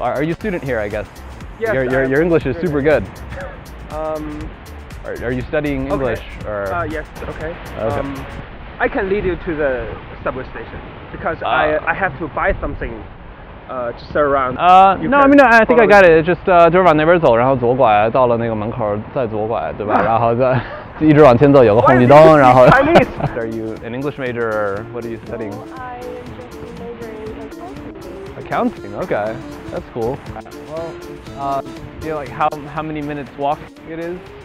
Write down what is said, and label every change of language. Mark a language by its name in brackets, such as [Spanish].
[English] Are you a student here, I guess? Yes, your English is super good. Are you studying English? Okay. Or? Yes, okay. I can lead you to the subway station because I have to buy something to sit around. No, I mean, I think I got it. [Chinese] Just 往那边走，然后左拐，到了那个门口再左拐，对吧？然后再一直往前走，有个红绿灯，然后。 [English] Chinese. Are you an English major or what are you studying? No, I am majoring in accounting. Okay. That's cool. Well, you know, like how many minutes walk it is?